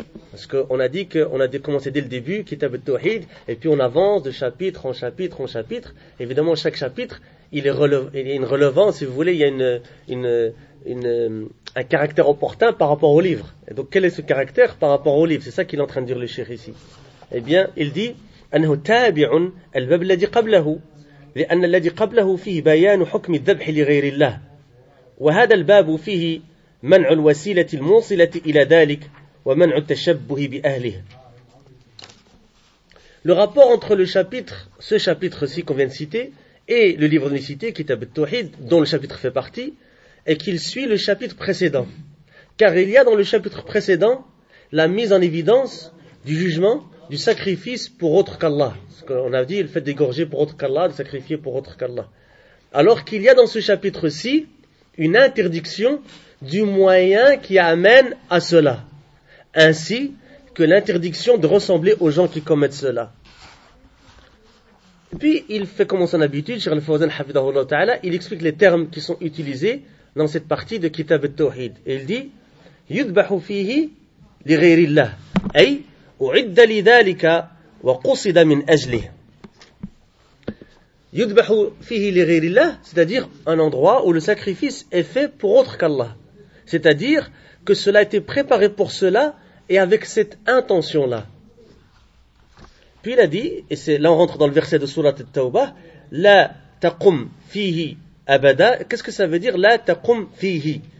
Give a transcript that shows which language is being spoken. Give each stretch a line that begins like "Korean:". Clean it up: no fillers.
French: Parce qu'on a dit qu'on a commencé dès le début, Kitab al-Tawhid, et puis on avance de chapitre en chapitre en chapitre. Évidemment, chaque chapitre, il y a une relevance, si vous voulez, il y a un caractère opportun par rapport au livre. Et donc, quel est ce caractère par rapport au livre? C'est ça qu'il est en train de dire le cheikh ici. Eh bien, il dit
Arabic: أنه تابع الباب الذي قبله لأن الذي قبله فيه بيان حكم الذبح لغير الله وهذا الباب فيه منع الوسيلة الموصلة إلى ذلك ومنع التشبه بأهله.
French: Le rapport entre le chapitre, ce chapitre-ci qu'on vient de citer, et le livre de l'unicité, Kitab al-Tawhid, dont le chapitre fait partie, et qu'il suit le chapitre précédent. Car il y a dans le chapitre précédent la mise en évidence du jugement, du sacrifice pour autre qu'Allah. Ce qu'on a dit, le fait d'égorger pour autre qu'Allah, de sacrifier pour autre qu'Allah. Alors qu'il y a dans ce chapitre-ci une interdiction du moyen qui amène à cela, ainsi que l'interdiction de ressembler aux gens qui commettent cela. Et puis, il fait comme son habitude, Cheikh al-Fawzan hafidahullah ta'ala, il explique les termes qui sont utilisés dans cette partie de Kitab al-Tawhid. Et il dit
Arabic: يُذْبَحُ فِيهِ لِغَيْرِ اللَّهِ أي أُعِدَّ لِذَلِكَ وَقُصِدَ مِنْ أَجْلِهِ. يُذْبَحُ فِيهِ لِغَيْرِ اللَّهِ,
French: c'est-à-dire un endroit où le sacrifice est fait pour autre qu'Allah. C'est-à-dire que cela a été préparé pour cela et avec cette intention-là. Puis il a dit, et c'est là on rentre dans le verset de Sourate al-Tawbah,
Arabic: لَا تَقُمْ فِيهِ
French: Abada, qu'est-ce que ça veut dire la taqum fihi?